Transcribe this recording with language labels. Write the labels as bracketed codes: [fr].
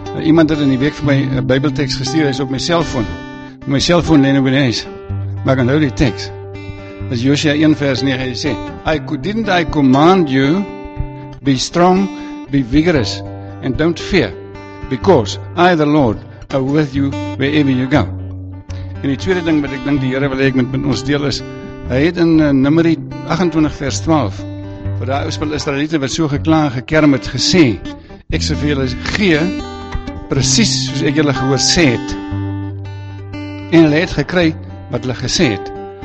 [af] Iemand het in die week vir my 'n Bybelteks gestuur, hy's op my selfoon. My selfoon lê nou by die huis. Maar ek onthou die teks. As Josua 1 vers 9 sê, [en] didn't I command you be strong, be vigorous and don't fear because I the Lord are with you wherever you go. [af] En die tweede ding wat ek dink die Here wil hê ek met ons deel is, hy het in Numeri 28 vers 12 vir daai oorspel Israeliete wat so gekla en gekerm het gesê, ek sê vir julle, gee precies soos ek julle gehoor sê het en hulle het gekry wat hulle gesê het.